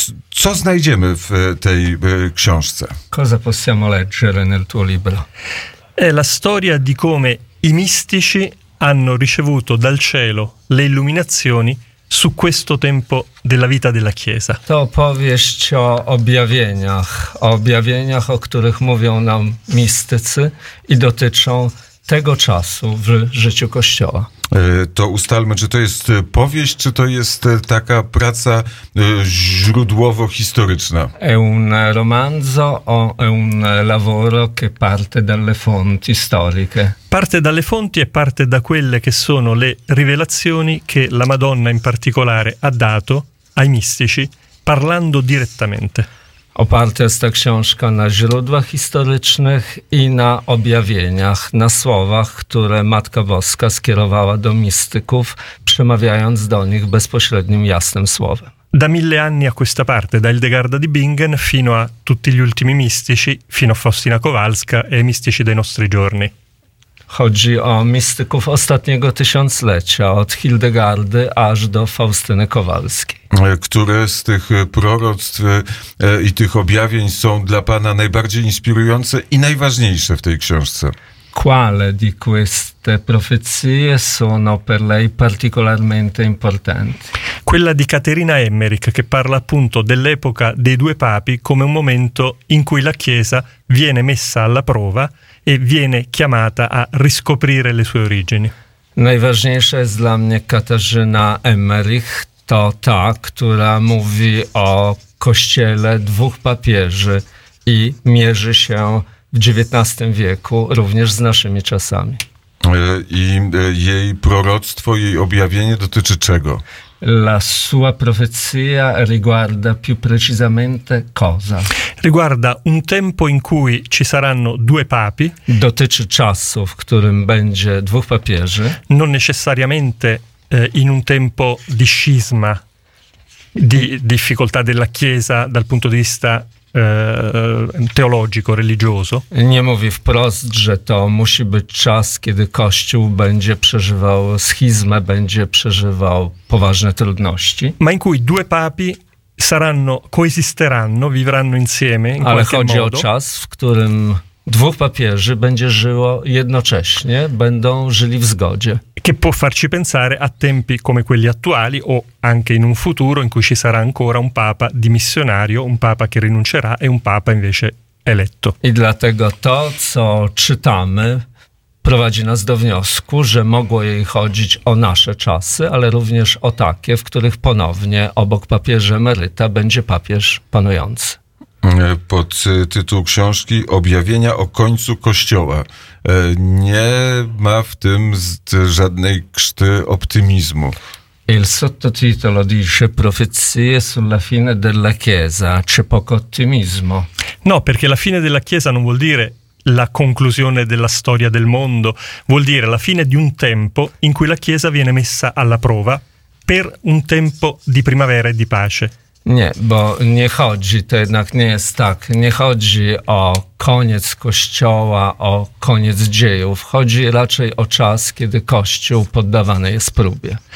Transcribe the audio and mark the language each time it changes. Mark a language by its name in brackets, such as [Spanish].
[Polish] Co znajdziemy w tej książce? [Italian] Cosa possiamo leggere nel tuo libro? È la storia di come i mistici hanno ricevuto dal cielo le illuminazioni su questo tempo della vita della Chiesa. [Polish] To opowieść o objawieniach, o których mówią nam mistycy i dotyczą tego czasu w życiu Kościoła. To ustalmy, czy to jest powieść, czy to jest taka praca źródłowo-historyczna? [Italian] È un romanzo o è un lavoro che parte dalle fonti storiche. Parte dalle fonti e parte da quelle che sono le rivelazioni che la Madonna in particolare ha dato ai mistici parlando direttamente. [Polish] Oparta jest ta książka na źródłach historycznych i na objawieniach, na słowach, które Matka Boska skierowała do mistyków, przemawiając do nich bezpośrednim, jasnym słowem. [Italian] Da mille anni a questa parte, da Hildegarda di Bingen fino a tutti gli ultimi mistici, fino a Faustina Kowalska e ai mistici dei nostri giorni. [Polish] Chodzi o mistyków ostatniego tysiąclecia, od Hildegardy aż do Faustyny Kowalskiej. Które z tych proroctw i tych objawień są dla pana najbardziej inspirujące i najważniejsze w tej książce? [Italian] Quale di queste profezie sono per lei particolarmente importanti? Quella di Caterina Emmerich, che parla appunto dell'epoca dei due papi come un momento in cui la Chiesa viene messa alla prova e viene chiamata a riscoprire le sue origini. [Polish] Najważniejsza jest dla mnie Katarzyna Emmerich, to ta, która mówi o kościele dwóch papieży i mierzy się w XIX wieku również z naszymi czasami. I jej proroctwo, jej objawienie dotyczy czego? [Italian] La sua profezia riguarda più precisamente cosa? Riguarda un tempo in cui ci saranno due papi. [Polish] Dotyczy czasu, w którym będzie dwóch papieży. [Italian] Non necessariamente in un tempo di scisma, di difficoltà della Chiesa dal punto di vista teologico, religioso. [Polish] Nie mówi wprost, że to musi być czas, kiedy Kościół będzie przeżywał schizmę, będzie przeżywał poważne trudności. [Italian] Ma in cui due papi saranno, coesisteranno, vivranno insieme in qualche modo. [Polish] Ale chodzi o czas, w którym dwóch papieży będzie żyło jednocześnie, będą żyli w zgodzie. [Italian] Che può farci pensare a tempi come quelli attuali o anche in un futuro in cui ci sarà ancora un papa dimissionario, un papa che rinuncerà e un papa invece eletto. [Polish] I dlatego to, co czytamy, prowadzi nas do wniosku, że mogło jej chodzić o nasze czasy, ale również o takie, w których ponownie obok papieża emeryta będzie papież panujący. Pod tytuł książki Objawienia o końcu Kościoła. Nie ma w tym żadnej krzty optymizmu. [Italian] Il sottotitolo dice profezie sulla fine della Chiesa. C'è poco ottimismo. No, perché la fine della Chiesa non vuol dire la conclusione della storia del mondo, vuol dire la fine di un tempo in cui la Chiesa viene messa alla prova per un tempo di primavera e di pace. [Polish] Nie, bo nie chodzi, to jednak nie jest tak, nie chodzi o koniec Kościoła, o koniec dziejów, chodzi raczej o czas, kiedy Kościół poddawany jest próbie.